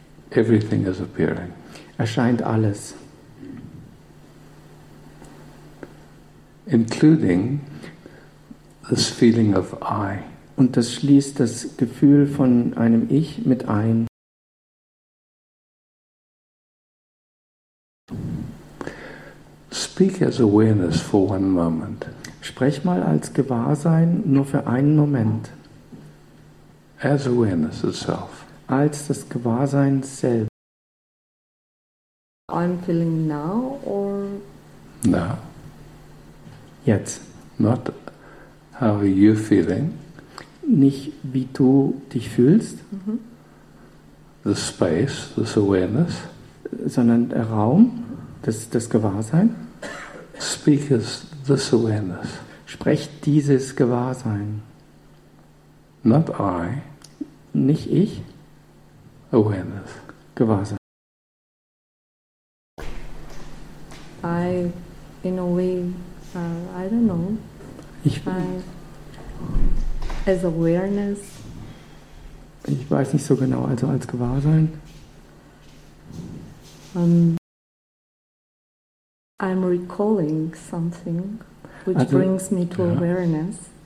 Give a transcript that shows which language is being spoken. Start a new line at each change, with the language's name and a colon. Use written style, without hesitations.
English: Everything is appearing.
German: Erscheint alles.
English: Including this feeling of I.
German: Und das schließt das Gefühl von einem Ich mit ein.
English: Speak as awareness for one moment.
German: Sprech mal als Gewahrsein nur für einen Moment.
English: As awareness itself.
German: Als das Gewahrsein selbst.
English: I'm feeling now or now.
German: Jetzt.
English: Not how are you feeling.
German: Nicht wie du dich fühlst.
English: The space, this awareness.
German: Sondern der Raum, das Gewahrsein.
English: Speak as this awareness.
German: sprecht dieses Gewahrsein.
English: Not I.
German: Nicht ich.
English: Awareness.
German: Gewahrsein.
English: I, in a way, I don't know.
German: Ich bin.
English: As awareness.
German: Ich weiß nicht so genau, also als Gewahrsein.
English: I'm recalling something which also, brings me to ja, awareness.